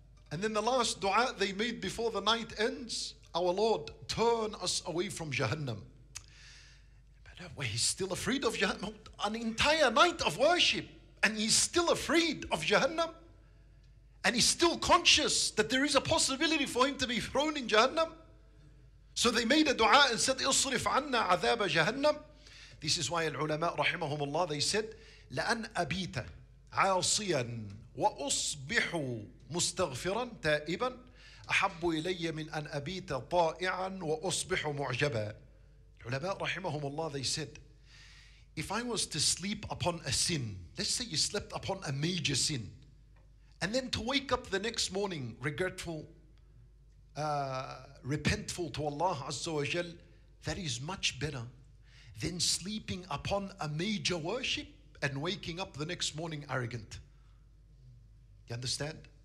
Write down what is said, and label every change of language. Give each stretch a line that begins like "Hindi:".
English: And then the last dua they made before the night ends, our Lord, turn us away from Jahannam. But he's still afraid of Jahannam. An entire night of worship, and he's still afraid of Jahannam. And he's still conscious that there is a possibility for him to be thrown in Jahannam. So they made a dua and said,
Arabic: اصرف عنا عذاب جهنم.
English: This is why
Arabic: العلماء رحمهم الله,
English: they said,
Arabic: لأن أبيت عاصيا وأصبح مستغفرا تائبا أحب إلي من أن أبيت طائعا وأصبح معجبا. العلماء رحمهم الله,
English: they said, if I was to sleep upon a sin, let's say you slept upon a major sin, and then to wake up the next morning regretful, repentful to Allah Azza wa Jal, that is much better than sleeping upon a major worship and waking up the next morning arrogant. You understand?